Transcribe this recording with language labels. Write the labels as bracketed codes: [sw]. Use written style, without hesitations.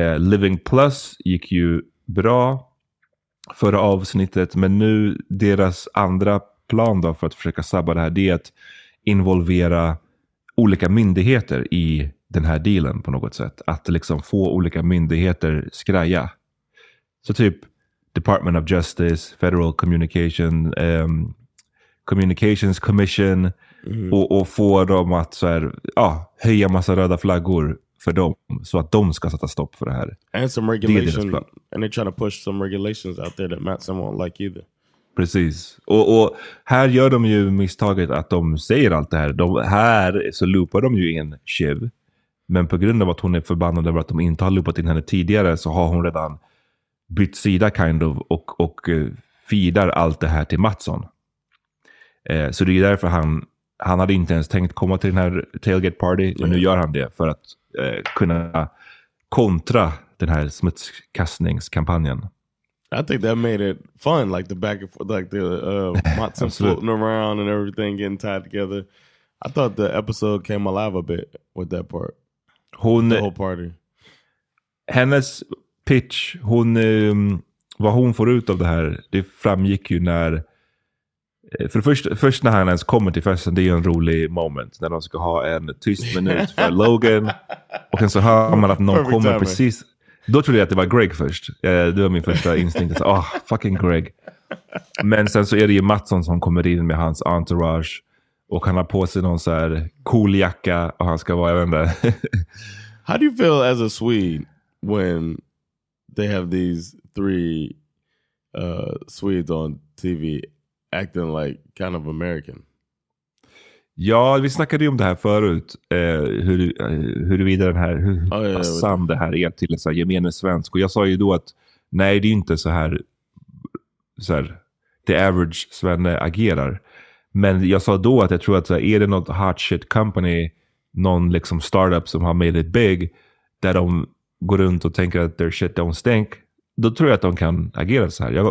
[sv] Living Plus gick ju bra förra avsnittet, men nu deras andra plan då för att försöka sabba det här, det är att involvera olika myndigheter i den här dealen på något sätt, att liksom få olika myndigheter skraja. Så typ Department of Justice, Federal Communication, Communications Commission. Mm. Och få dem att så här, ja, höja massa röda flaggor för dem. Så att de ska sätta stopp för det här. [en] And some regulation. And they're trying to push some regulations out there that Mattson won't like either. [sv] Precis. Och här gör de ju misstaget att de säger allt det här. Här så loopar de ju in Shiv. Men på grund av att hon är förbannad över att de inte har loopat in henne tidigare, så har hon redan bytt sida [en] kind of [sv] och feedar allt det här till Mattson. Så det är därför han hade inte ens tänkt komma till den här tailgate party, men nu gör han det för att kunna kontra den här smutskastningskampanjen. [en] I think that made it fun, like the back and forth, like the Mattson floating around and everything getting tied together. I thought the episode came alive a bit with that part. [sv] Hon, [en] the whole party. [sv] Hennes pitch, vad hon får ut av det här, det framgick ju när, för först när han ens kommer till festen, det är ju en rolig moment när de ska ha en tyst minut för Logan, och sen så hör man att någon kommer precis. Då trodde jag att det var Greg först. Det var min första instinkt. Åh, [en] oh, fucking Greg. [sv] Men sen så är det ju Mattson som kommer in med hans entourage. Och han har på sig någon så här cool jacka. Och han ska vara även där. [en] How do you feel as a Swede when they have these three Swedes on TV acting like kind of American? [sv] Ja, vi snackade ju om det här förut, det här är till en så här gemene svensk. Och jag sa ju då att nej, det är inte så här [en] the average [sv] svenne agerar. Men jag sa då att jag tror att så här, är det något [en] hot shit company, [sv] någon liksom startup som har [en] made it big, [sv] där de går runt och tänker att [en] their shit don't stink, [sv] då tror jag att de kan agera så här.